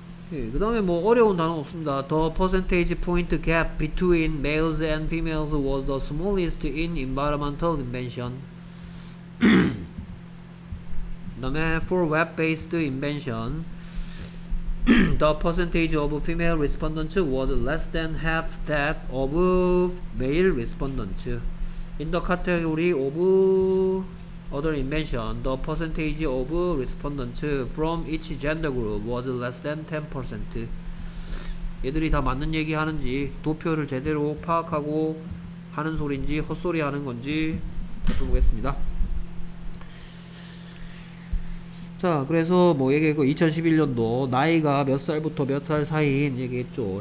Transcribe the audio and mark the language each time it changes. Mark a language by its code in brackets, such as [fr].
[ko] 그 다음에 뭐 어려운 단어 없습니다. [en] The percentage point gap between males and females was the smallest in environmental invention. [ko] 그 다음에 [en] for web-based invention, the percentage of female respondents was less than half that of male respondents. In the category of other invention, the percentage of respondents from each gender group was less than 10%. [ko] 얘들이 다 맞는 얘기 하는지, 도표를 제대로 파악하고 하는 소리인지, 헛소리 하는 건지 보겠습니다. 자, 그래서 뭐 얘기했고, 2011년도 나이가 몇 살부터 몇 살 사이인 얘기했죠.